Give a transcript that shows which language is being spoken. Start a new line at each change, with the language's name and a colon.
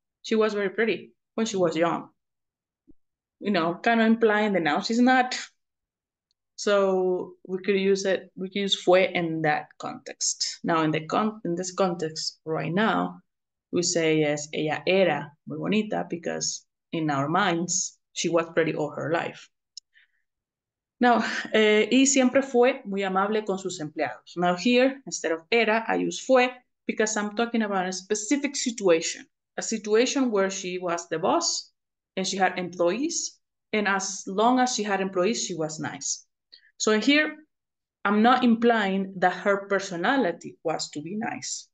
English: She was very pretty when she was young. You know, kind of implying that now she's not. So we could use it, we could use fue in that context. Now in this context right now, we say yes,
Spanish: ella era muy bonita
English: because in our minds, she was pretty all her life. Now,
Spanish: y siempre fue muy amable con sus empleados.
English: Now here, instead of era, I use fue because I'm talking about a specific situation, a situation where she was the boss and she had employees. And as long as she had employees, she was nice. So here, I'm not implying that her personality was to be nice.